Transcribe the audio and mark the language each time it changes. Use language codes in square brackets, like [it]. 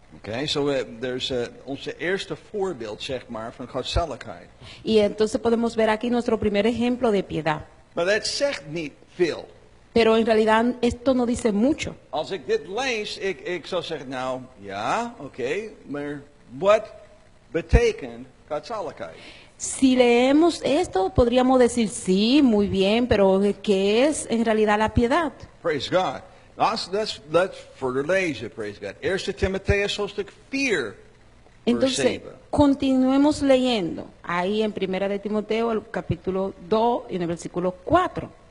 [en] Okay, so there's [nl] onze eerste voorbeeld, zeg maar, van godzaligheid. [es] Y entonces podemos ver aquí nuestro primer ejemplo de piedad. [en] But that [nl] zegt niet veel. [es] Pero en realidad esto no dice mucho. [nl] Als ik dit lees, ik zou zeggen, nou, ja, okay, maar wat betekent godzaligheid? [es] Si leemos esto, podríamos decir, sí, muy bien, pero ¿qué es en realidad la piedad? [en] Praise God. Let's further lezen, praise God. [nl] 1 Timoteo, hoofdstuk 4, [es] entonces, [en] verse 7. [es] Continuemos leyendo. Ahí en 1 de Timoteo, el capítulo 2, en el versículo 4.